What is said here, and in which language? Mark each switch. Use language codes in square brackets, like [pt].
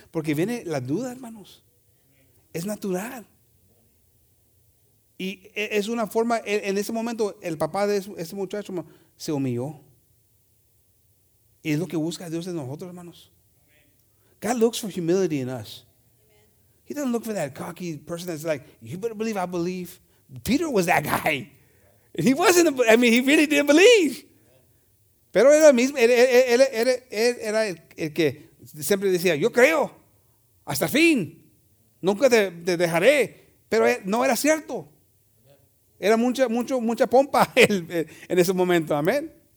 [es] Porque viene la duda, hermanos. Es natural. Y es una forma, en ese momento, el papá de ese muchacho se humilló. Y es lo que busca Dios en nosotros, hermanos. [en] God looks for humility in us. He doesn't look for that cocky person that's like, you better believe I believe. Peter was that guy. He wasn't, he really didn't believe. [es] Pero era el mismo, era el que siempre decía, yo creo, hasta fin. Nunca te dejaré. Pero no era cierto. Era mucha pompa en ese momento, amén.